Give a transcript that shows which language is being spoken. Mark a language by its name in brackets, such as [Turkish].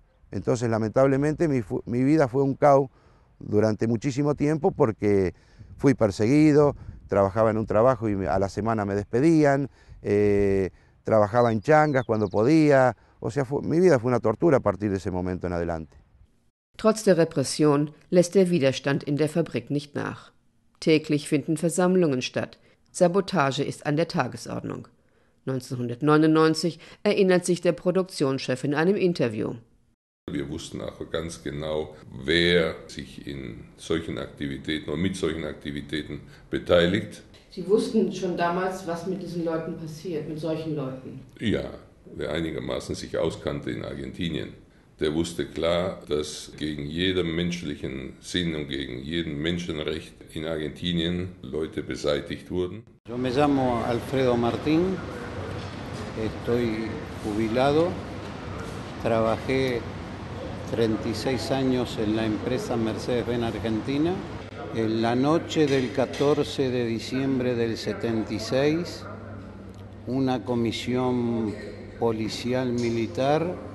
[Spanish] Entonces, lamentablemente, mi vida fue un caos durante muchísimo tiempo porque fui perseguido, trabajaba en un trabajo y a la semana me despedían, trabajaba en changas cuando podía. O sea, mi vida fue una tortura a partir de ese momento en adelante. [German] Trotz der Repression lässt der Widerstand in der Fabrik nicht nach. Täglich finden Versammlungen statt. Sabotage ist an der Tagesordnung. 1999 erinnert sich der Produktionschef in einem Interview. Wir wussten auch ganz genau, wer sich in solchen Aktivitäten oder mit solchen Aktivitäten beteiligt. Sie wussten schon damals, was mit diesen Leuten passiert, mit solchen Leuten? Ja, wer einigermaßen sich auskannte in Argentinien, der wusste klar, dass gegen jeden menschlichen Sinn und gegen jeden Menschenrecht in Argentinien Leute beseitigt wurden. [Spanish] Yo me llamo Alfredo Martín, estoy jubilado, trabajé 36 años en la empresa Mercedes-Benz Argentina. En la noche del 14 de diciembre del 76, una comisión policial militar